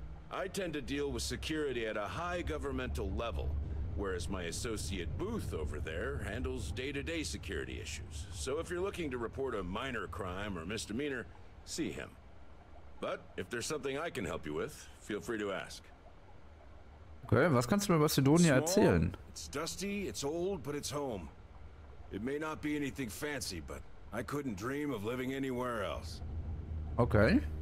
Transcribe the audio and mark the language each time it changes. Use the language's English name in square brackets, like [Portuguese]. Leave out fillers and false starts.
[English] I tend to deal with security at a high governmental level, whereas my associate Booth over there handles day-to-day security issues. So if you're looking to report a minor crime or misdemeanor, see him. But if there's something I can help you with, feel free to ask. [German] Okay, was kannst du mir über Sidonia erzählen? [English] It's dusty, it's old, but it's home. It may not be anything fancy, but I couldn't dream of living anywhere else. Okay.